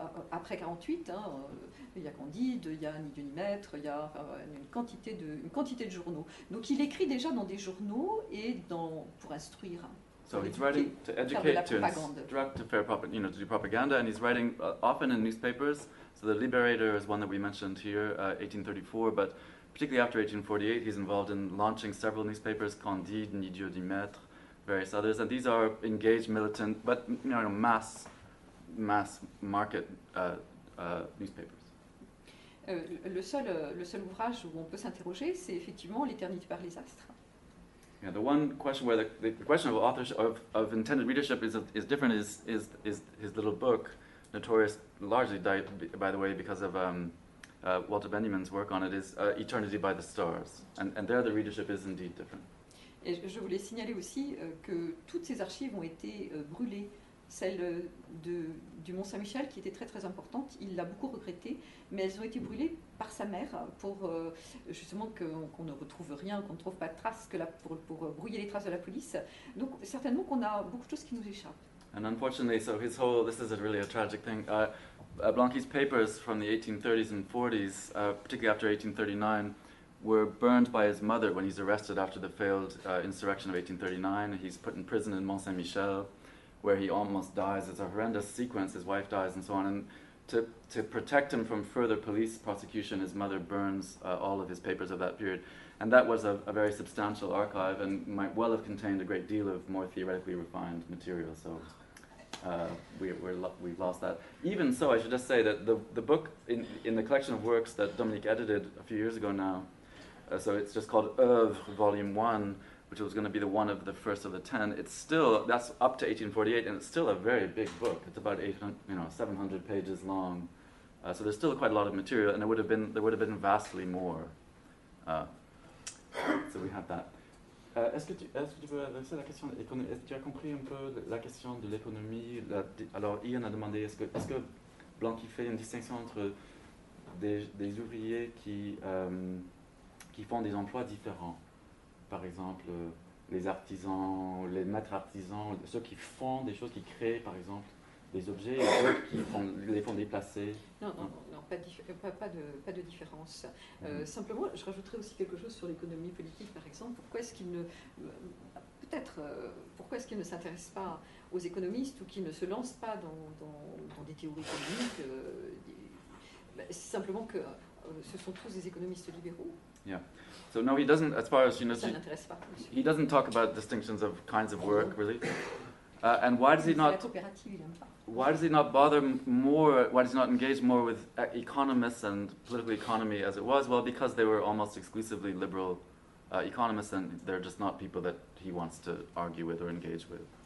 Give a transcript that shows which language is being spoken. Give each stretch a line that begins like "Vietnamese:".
French: Après 48, il y a Candide, il y a Ni Dieu ni Maître, il y a une quantité de journaux. Donc il écrit déjà dans des journaux et pour instruire.
English: So he's writing to educate, to instruct, to fare propaganda, you know, to do propaganda, and he's writing often in newspapers. So the Liberator is one that we mentioned here, 1834, but particularly after 1848, he's involved in launching several newspapers, Candide, Ni Dieu ni Maître, various others, and these are engaged militant, but you know, mass market newspapers.
French: Le seul ouvrage où on peut s'interroger, c'est effectivement L'éternité par les astres.
English: Yeah, the one question where the question of authorship of intended readership is different is his little book, notorious largely by the way because of Walter Benjamin's work on it, is Eternity by the Stars, and there the readership is indeed different.
French: Et je voulais signaler aussi que toutes ces archives ont été brûlées. Celle du Mont Saint-Michel, qui était très très importante, il l'a beaucoup regrettée, mais elles ont été brûlées par sa mère pour justement qu'on ne retrouve rien, qu'on ne trouve pas de traces, pour brouiller les traces de la police. Donc certainement qu'on a beaucoup de choses qui nous échappent.
English: And unfortunately, so his whole, this is a really a tragic thing. Blanqui's papers from the 1830s and 40s, particularly after 1839, were burned by his mother when he's arrested after the failed insurrection of 1839. He's put in prison in Mont Saint-Michel, where he almost dies. It's a horrendous sequence. His wife dies and so on. And to protect him from further police prosecution, his mother burns all of his papers of that period. And that was a very substantial archive and might well have contained a great deal of more theoretically refined material. So we've lost that. Even so, I should just say that the book in the collection of works that Dominique edited a few years ago now, so it's just called Oeuvre Volume 1, which was going to be the one of the first of the 10, it's still, that's up to 1848, and it's still a very big book. It's about 800, you know, 700 pages long. So there's still quite a lot of material, and there would have been vastly more. So we have that.
French: Est-ce que tu peux adresser la question, est-ce que tu as compris un peu la question de l'économie, alors Ian a demandé, est-ce que Blanqui fait une distinction entre des ouvriers qui font des emplois différents, par exemple les artisans, les maîtres artisans, ceux qui font des choses, qui créent par exemple des objets, et ceux qui les font déplacer. Non, pas de différence. Simplement, je rajouterais aussi quelque chose sur l'économie politique, par exemple. Pourquoi est-ce qu'il ne s'intéresse pas aux économistes ou qu'il ne se lance pas dans des théories économiques c'est simplement que ce sont tous des économistes libéraux.
English: Yeah. So no, he doesn't. As far as you know,
French: ça n'intéresse pas, monsieur.
English: He doesn't talk about distinctions of kinds of work, really. And why does he not? Why does he not bother more? Why does he not engage more with economists and political economy as it was? Well, because they were almost exclusively liberal economists, and they're just not people that he wants to argue with or engage with.